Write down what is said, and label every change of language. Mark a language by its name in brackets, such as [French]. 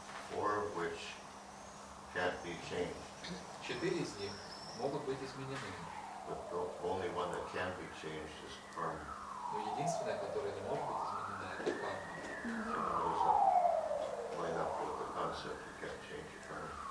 [English] Four of which can't be changed. [Russian] Четыре из них могут быть изменены. [English] But the only one that can be changed is karma. [Russian] Но единственное, которое не может быть изменено, это карма. [English] Line up with the concept you can't change your karma.